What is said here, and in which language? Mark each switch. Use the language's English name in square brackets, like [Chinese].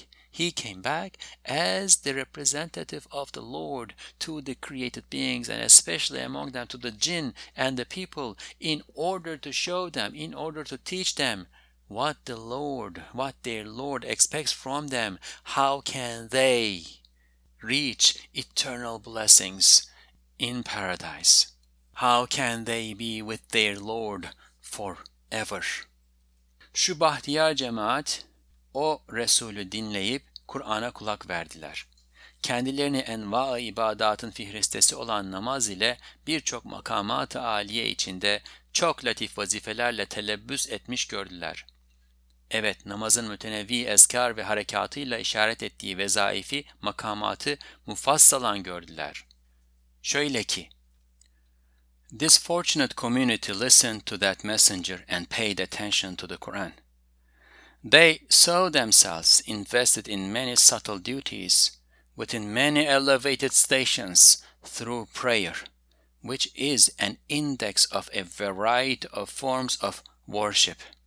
[English] He came back as the representative of the Lord to the created beings, and especially among them to the jinn and the people, in order to show them, in order to teach them what their Lord expects from them, how can they reach eternal blessings in paradise? How can they be with their Lord forever? [Turkish] Şu bahtiyar cemaat o Resulü dinleyip Kur'an'a kulak verdiler. Kendilerini enva-ı ibadatın fihristesi olan namaz ile birçok makamat-ı âliye içinde çok latif vazifelerle telebbüs etmiş gördüler. Evet, namazın mütenevvi ezkar ve harekatıyla işaret ettiği vezaifi, makamatı mufassalan gördüler. Şöyle ki, [English] this fortunate community listened to that messenger and paid attention to the Quran. They saw themselves invested in many subtle duties, within many elevated stations through prayer, which is an index of a variety of forms of worship.